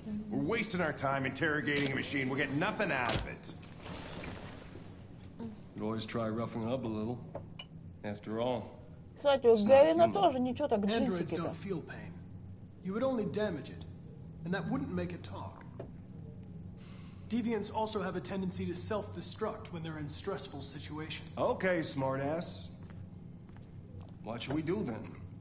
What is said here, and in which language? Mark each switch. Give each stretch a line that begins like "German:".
English: We're wasting our time interrogating a machine. We'll get nothing out of it. You always try roughing up a little. After all.
Russian: Кстати, у Гэвина тоже ничего так джинсики-то.
English: Androids don't feel pain. You would only damage it, and that wouldn't make it talk. Deviants also have a tendency to self-destruct when they're in stressful situations. Okay, smartass. What should we do then?